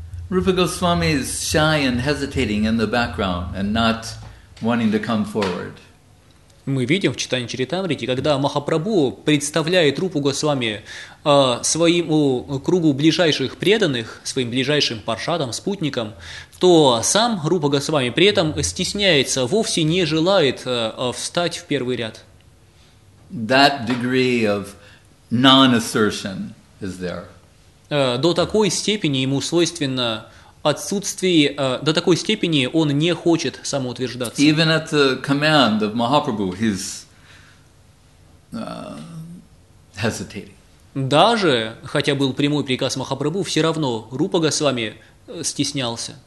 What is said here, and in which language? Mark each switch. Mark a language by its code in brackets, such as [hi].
[en] Rupa Goswami is shy and hesitating in the background and not wanting to come forward. [ru] Мы видим в читании Чаритамрити, когда Махапрабху представляет Рупу Госвами своему кругу ближайших преданных, своим ближайшим паршадам, спутникам, то сам Рупа Госвами при этом стесняется, вовсе не желает встать в первый ряд. [en] That degree of non-assertion is there. [ru] До такой степени ему свойственно отсутствие, до такой степени он не хочет самоутверждаться. [en] Even at the command of Mahaprabhu, he's hesitating. [ru] Даже, хотя был прямой приказ Махапрабху, все равно Рупа Госвами стеснялся.